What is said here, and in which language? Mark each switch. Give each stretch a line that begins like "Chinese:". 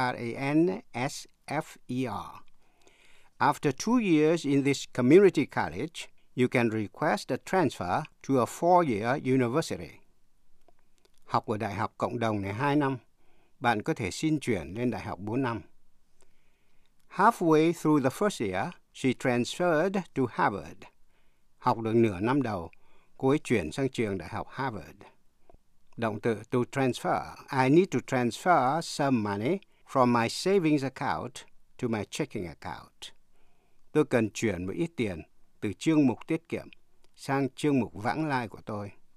English: T-R-A-N-S-F-E-R. After 2 years in this community college, you can request a transfer to a 4-year university.
Vietnamese: Học ở đại học cộng đồng này 2 năm, bạn có thể xin chuyển lên đại học 4 năm.
English: Halfway through the first year, she transferred to Harvard.
Vietnamese: Học được nửa năm đầu, cô ấy chuyển sang trường đại học Harvard.
English: Động từ to transfer. I need to transfer some money from my savings account to my checking account.
Vietnamese: Tôi cần chuyển một ít tiền từ chương mục tiết kiệm sang chương mục vãng lai của tôi.